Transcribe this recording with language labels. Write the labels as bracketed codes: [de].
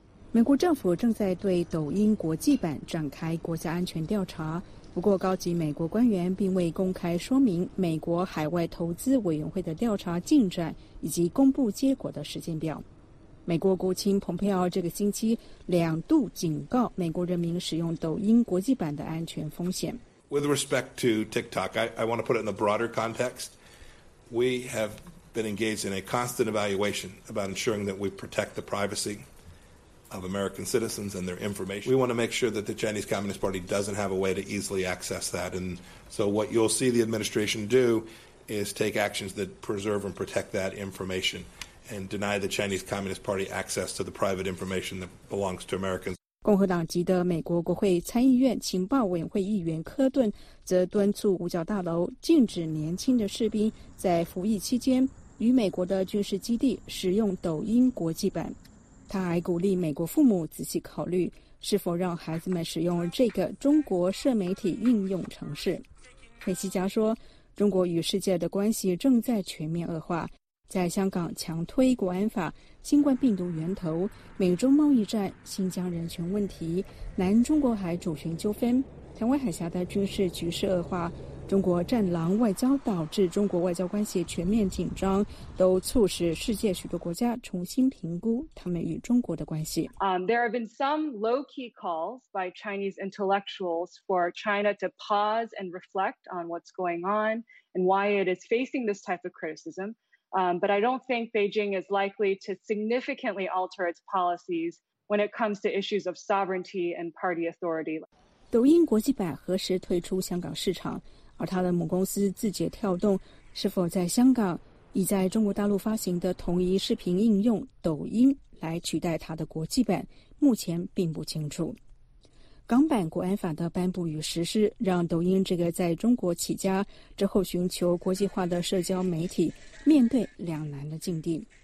[zh] 美国政府正在对抖音国际版展开国家安全调查，不过高级美国官员并未公开说明美国海外投资委员会的调查进展以及公布结果的时间表。美国国务卿蓬佩奥这个星期两度警告美国人民使用抖音国际版的安全风险。 [en] With respect to TikTok, I want to put it in the broader context. We have been engaged in a constant evaluation about ensuring that we protect the privacy of American citizens and their information. We want to make sure that the Chinese Communist Party doesn't have a way to easily access that. And so what you'll see the administration do is take actions that preserve and protect that information. And deny the Chinese Communist Party access to the private information that belongs to Americans. [zh] 共和党籍的美国国会参议院情报委员会议员科顿则敦促五角大楼禁止年轻的士兵在服役期间与美国的军事基地使用抖音国际版。他还鼓励美国父母仔细考虑是否让孩子们使用这个中国社媒体应用程式。佩西加说，中国与世界的关系正在全面恶化。在香港强推国安法、新冠病毒源头、美中贸易战、新疆人权问题、南中国海主权纠纷、台湾海峡的军事局势恶化、中国战狼外交导致中国外交关系全面紧张，都促使世界许多国家重新评估他们与中国的关系。 [en] There have been some low-key calls by Chinese intellectuals for China to pause and reflect on what's going on and why it is facing this type of criticism. But I don't think Beijing is likely to significantly alter its policies when it comes to issues of sovereignty and party authority. [zh] 抖音国际版何时退出香港市场？而它的母公司字节跳动是否在香港以在中国大陆发行的同一视频应用抖音来取代它的国际版，目前并不清楚。港版国安法的颁布与实施，让抖音这个在中国起家之后寻求国际化的社交媒体面对两难的境地。